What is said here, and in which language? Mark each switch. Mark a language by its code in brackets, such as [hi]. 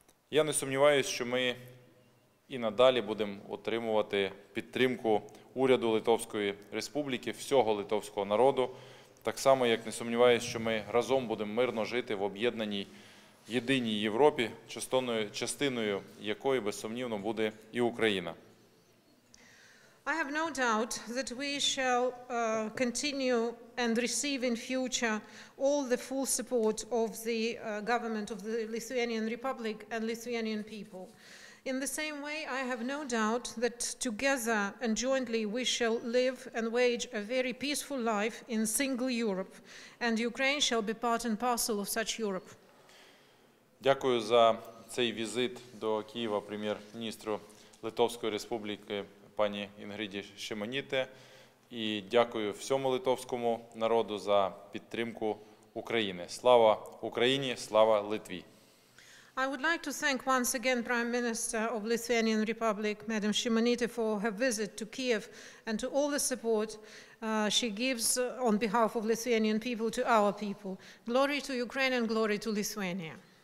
[uk] Я не сумніваюся, що ми і надалі будемо отримувати підтримку уряду Литовської Республіки, всього литовського народу, так само, як не сумніваюся, що ми разом будемо мирно жити в об'єднаній єдиній Європі, частиною якої, безсумнівно, буде і Україна. [en] I have no doubt that we shall continue and receive in future all the full support of the government of the Lithuanian Republic and Lithuanian people. In the same way, I have no doubt that together and jointly we shall live and wage a very peaceful life in single Europe, and Ukraine shall be part and parcel of such Europe. [uk] Дякую за цей візит до Києва прем'єр-міністру Литовської Республіки пані Інгріді Шимоніте, і дякую всьому литовському народу за підтримку України. Слава Україні, слава Литві! [en] I would like to thank once again Prime Minister of Lithuanian Republic, Madam Shimonite, for her visit to Kiev and to all the support she gives on behalf of Lithuanian people to our people. Glory to Ukraine and glory to Lithuania.